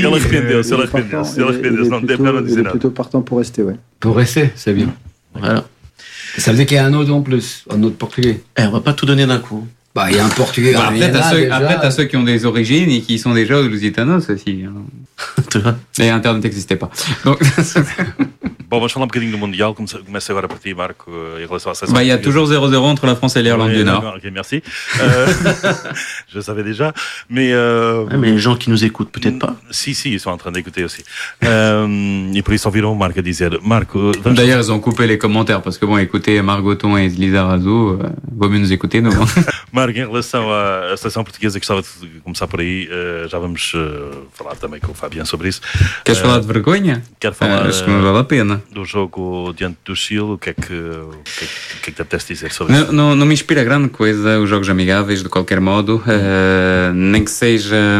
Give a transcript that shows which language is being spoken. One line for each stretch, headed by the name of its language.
French: il est plutôt partant pour rester, ouais. Pour rester, c'est bien. Voilà. Ça veut dire qu'il y a un autre en plus, un autre portugais. On va pas tout donner d'un coup. Il y a un portugais. Bah, après, t'as ceux qui ont des origines et qui sont déjà aux Lusitanos aussi. Et Internet n'existait pas. Donc.
Portuguese: Bon, vamos falar bocadinho do Mundial, começa agora por ti, Marco, em relação à
French: César. Il y a toujours 0-0 entre la France et l'Irlande du Nord. Ok, merci. je savais déjà, mais... Mais les gens qui nous écoutent, peut-être pas. Si, ils sont en train d'écouter aussi. et pour ils environ, Marco disait... Marco, d'ailleurs, ils ont coupé les commentaires, parce que bon, écoutez, Margoton et Lisa Razou, vaut mieux nous écouter, nous.
Portuguese: Marco, en relação à
French: la sélection portugaise,
Portuguese: gostava de começar por aí, já vamos falar também com o Fabien sobre isso. Queres falar de vergonha? Quero falar... Acho que não vale a pena. Do jogo diante do Chile, o que é que te apetece dizer sobre isso? Não me inspira grande coisa os jogos amigáveis, de qualquer modo, nem que seja...